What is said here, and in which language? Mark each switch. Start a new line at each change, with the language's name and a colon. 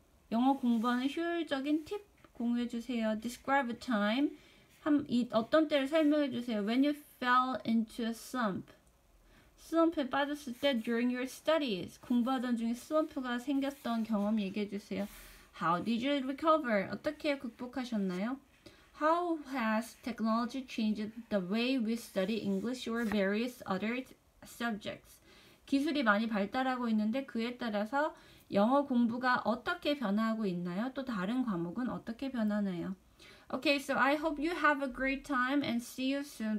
Korean: 영어 공부하는 효율적인 팁 공유해주세요.
English: Describe a time.
Korean: 어떤 때를 설명해주세요.
English: When you fell into a slump.
Korean: 슬럼프에 빠졌을 때,
English: during your studies.
Korean: 공부하던 중에 슬럼프가 생겼던 경험 얘기해주세요.
English: How did you recover?
Korean: 어떻게 극복하셨나요?
English: How has technology changed the way we study English or various other subjects?
Korean: 기술이 많이 발달하고 있는데, 그에 따라서 영어 공부가 어떻게 변화하고 있나요? 또 다른 과목은 어떻게 변하나요?
English: Okay, so I hope you have a great time and see you soon.